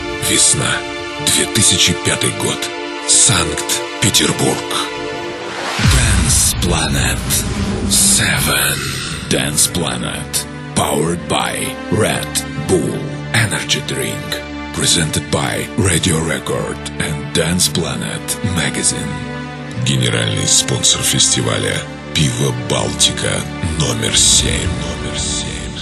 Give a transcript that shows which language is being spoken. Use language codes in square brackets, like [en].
[ru] Весна, 2005 год, Санкт-Петербург. [en] Dance Planet 7. Dance Planet, powered by Red Bull Energy Drink. Presented by Radio Record and Dance Planet Magazine. [ru] Генеральный спонсор фестиваля — пиво «Балтика» номер 7.